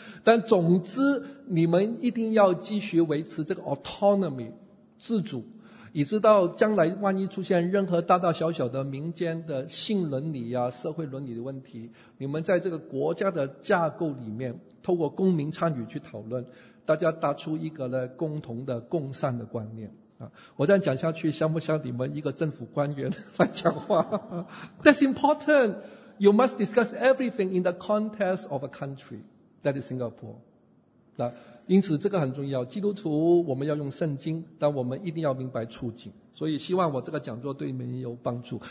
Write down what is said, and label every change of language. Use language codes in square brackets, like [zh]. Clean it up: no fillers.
[zh] 但总之你们一定要继续维持这个 autonomy 自主，以知道将来万一出现任何大大小小的民间的性伦理啊、社会伦理的问题，你们在这个国家的架构里面透过公民参与去讨论，大家搭出一个呢共同的共善的观念啊。我这样讲下去像不像你们一个政府官员来讲话？ [en] That's important. You must discuss everything in the context of a country. That is Singapore. [zh] 那因此这个很重要，基督徒我们要用圣经，但我们一定要明白处境，所以希望我这个讲座对你们有帮助。